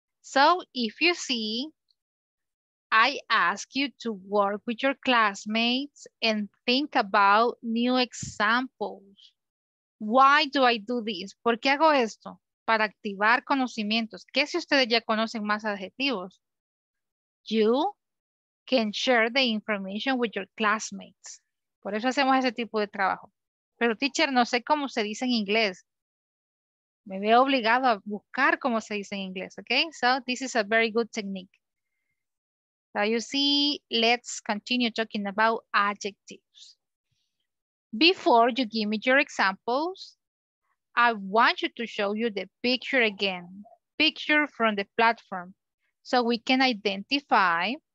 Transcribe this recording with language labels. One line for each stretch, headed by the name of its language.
English: So if you see, I ask you to work with your classmates and think about new examples. Why do I do this?
Spanish: ¿Por qué hago esto? Para activar conocimientos. ¿Qué si ustedes ya conocen más adjetivos?
English: You can share the information with your classmates.
Spanish: Por eso hacemos ese tipo de trabajo. Pero teacher, no sé cómo se dice en inglés. Me veo obligado a buscar cómo se dice en inglés, okay?
English: So this is a very good technique. So you see, let's continue talking about adjectives. Before you give me your examples, I want you to show you the picture again. Picture from the platform. So we can identify.